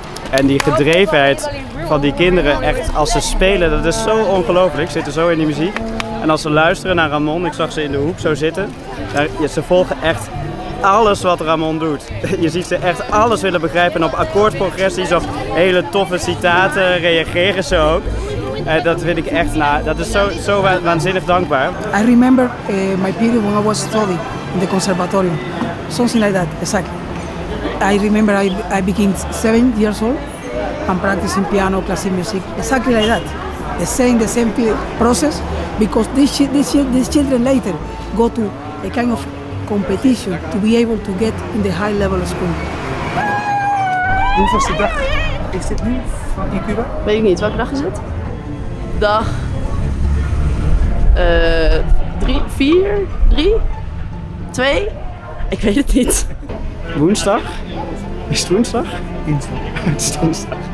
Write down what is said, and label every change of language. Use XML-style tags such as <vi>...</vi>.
<nl>En die gedrevenheid van die kinderen echt als ze spelen, dat is zo ongelooflijk. Ze zitten zo in die muziek. En als ze luisteren naar Ramon, ik zag ze in de hoek zo zitten. Ze volgen echt alles wat Ramon doet. Je ziet ze echt alles willen begrijpen en op akkoordprogressies of hele toffe citaten reageren ze ook. Dat wil ik echt na. Dat is zo waanzinnig dankbaar.</nl> <en>I remember my period when I was studying in the conservatorium. Something like that, exactly. I remember I became 7 years old. I'm practicing piano, classical music, exactly like that. The same process, because these children later go to a kind of competition to be able to get in the high level of school.</en> <nl>Hoeveelste dag is dit nu van in Cuba? Weet ik niet, welke dag is het? Dag 3, 4, 3, 2, ik weet het niet. Woensdag? Is het woensdag? Het is woensdag.</nl>